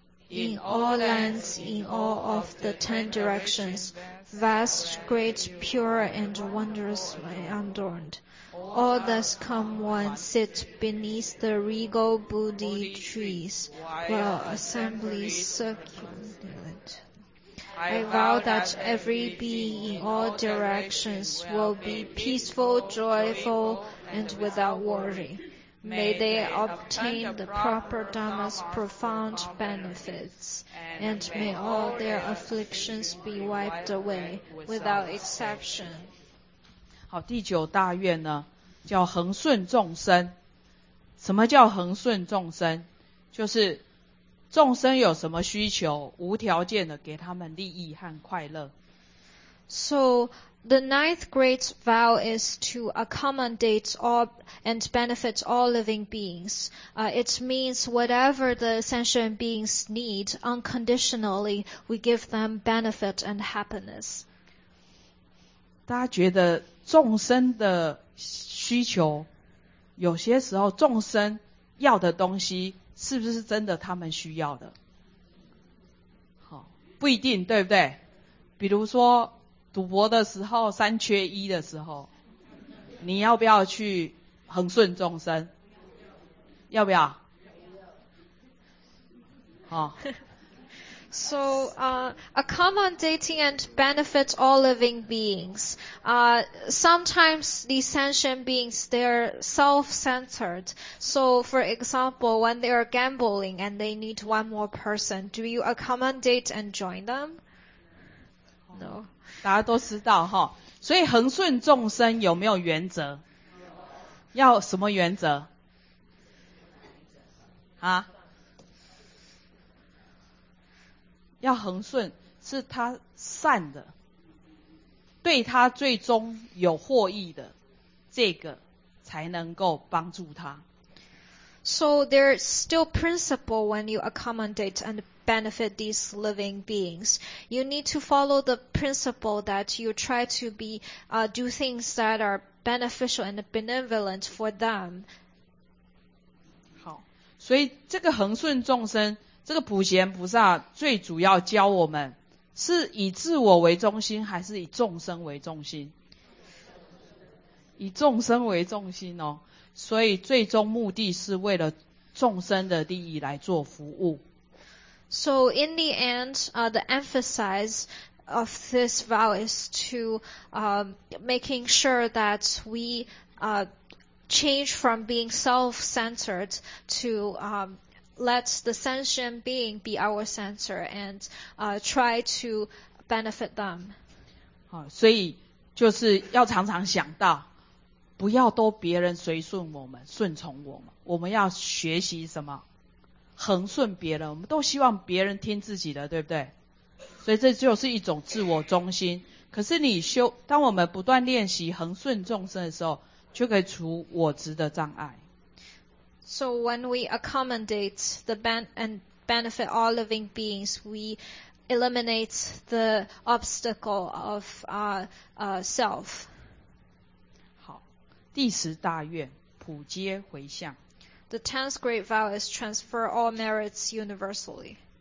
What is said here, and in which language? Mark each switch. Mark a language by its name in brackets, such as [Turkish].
[English] In all lands, in all of the ten directions, vast, great, pure, and wondrous and adorned. All thus come one sit beneath the regal Bodhi trees, while assemblies circulate. I vow that every being in all directions will be peaceful, joyful, and without worry. May they obtain the proper Dhamma's profound benefits, and may all their afflictions be wiped away without exception. [Chinese] 好，第九大愿呢，叫恒顺众生。什么叫恒顺众生？就是众生有什么需求，无条件的给他们利益和快乐。 [English] So,The ninth great vow is to accommodate all and benefit all living beings. It means whatever the sentient beings need, unconditionally, we give them benefit and happiness. [Chinese] 大家觉得众生的需求，有些时候众生要的东西，是不是真的他们需要的？好，不一定，对不对？比如说赌博的时候，三缺一的时候，你要不要去恒顺众生？要不要？好。 [English] So, accommodating and benefit all living beings. Sometimes the sentient beings, they're self-centered. So, for example, when they are gambling and they need one more person, do you accommodate and join them? No. [Chinese] 大家都知道齁，所以恒顺众生有没有原则？要什么原则啊？要恒顺是他善的，对他最终有获益的，这个才能够帮助他。 [English] So there's still principle when you accommodate and benefit these living beings. You need to follow the principle that you try to be, do things that are beneficial and benevolent for them. [Chinese] 好，所以这个恒顺众生，这个普贤菩萨最主要教我们，是以自我为中心，还是以众生为中心？以众生为中心哦。所以最终目的是为了众生的利益来做服务。 [English] So in the end, the emphasis of this vow is to making sure that we change from being self-centered to let the sentient being be our center and try to benefit them. [Chinese] 好，所以就是要常常想到不要都别人随顺我们，顺从我们。我们要学习什么？恒顺别人。我们都希望别人听自己的，对不对？所以这就是一种自我中心。可是你修，当我们不断练习恒顺众生的时候，就可以除我执的障碍。 [English] So when we accommodate the ban and benefit all living beings, we eliminate the obstacle of self. [Chinese] 好，第十大愿，普皆回向。 [English] The tenth great vow is transfer all merits universally.